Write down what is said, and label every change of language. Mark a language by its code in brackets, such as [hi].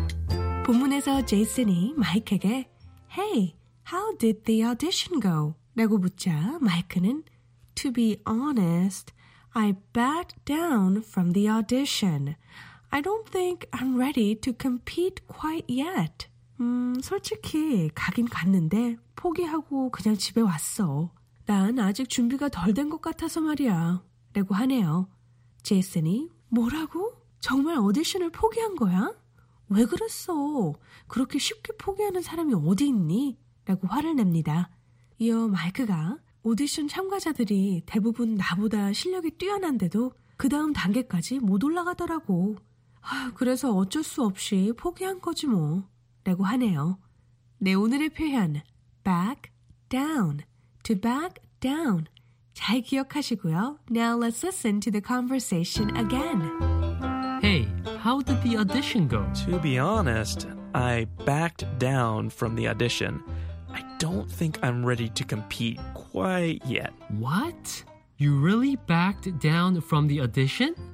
[en] In the [ko] 본문에서 제이슨이 마이크에게 [en] Hey, How did the audition go? [ko] 라고 묻자 마이크는 [en] To be honest, I backed down from the audition. I don't think I'm ready to compete quite yet. [ko] 솔직히 가긴 갔는데 포기하고 그냥 집에 왔어. 난 아직 준비가 덜 된 것 같아서 말이야. 라고 하네요. 제이슨이 뭐라고? 정말 오디션을 포기한 거야? 왜 그랬어? 그렇게 쉽게 포기하는 사람이 어디 있니? 라고 화를 냅니다. 이어 마이크가 오디션 참가자들이 대부분 나보다 실력이 뛰어난데도 그 다음 단계까지 못 올라가더라고. 아, 그래서 어쩔 수 없이 포기한 거지 뭐. 라고 하네요. 네, 오늘의 표현 back down, to back down 잘 기억하시고요. [en] Now let's listen to the conversation again. Hey, how did the audition go? To be honest, I backed down from the audition. I don't think I'm ready to compete quite yet. What? You really backed down from the audition?